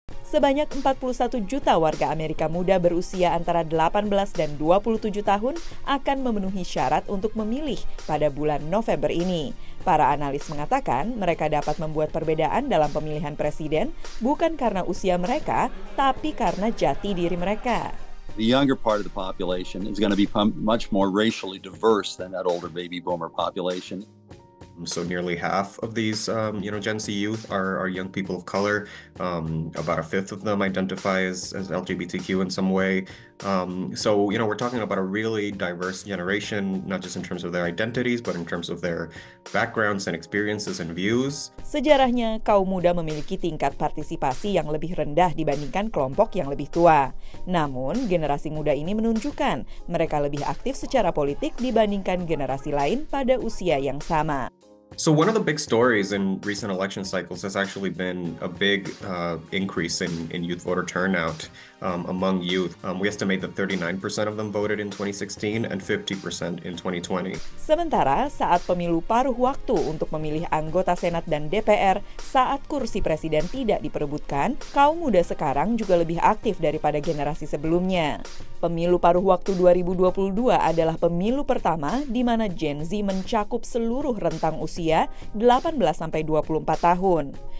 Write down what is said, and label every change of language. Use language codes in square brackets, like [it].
[id] Sebanyak 41 juta warga Amerika muda berusia antara 18 dan 27 tahun akan memenuhi syarat untuk memilih pada bulan November ini. Para analis mengatakan mereka dapat membuat perbedaan dalam pemilihan presiden bukan karena usia mereka, tapi karena jati diri mereka. [en] The younger part of the population is going to be much more racially diverse than that older baby boomer population. So nearly half of these, Gen Z youth are young people of color. About a fifth of them identify as LGBTQ in some way. So we're talking about a really diverse generation, not just in terms of their identities, but in terms of their backgrounds and experiences and views. [id] Sejarahnya, kaum muda memiliki tingkat partisipasi yang lebih rendah dibandingkan kelompok yang lebih tua. Namun, generasi muda ini menunjukkan mereka lebih aktif secara politik dibandingkan generasi lain pada usia yang sama. [en] So one of the big stories in recent election cycles has actually been a big increase in youth voter turnout among youth. We estimate that 39% of them voted in 2016 and 50% in 2020. [id] Sementara saat pemilu paruh waktu untuk memilih anggota Senat dan DPR, saat kursi presiden tidak diperebutkan, kaum muda sekarang juga lebih aktif daripada generasi sebelumnya. Pemilu paruh waktu 2022 adalah pemilu pertama di mana Gen Z mencakup seluruh rentang usia 18-24 tahun.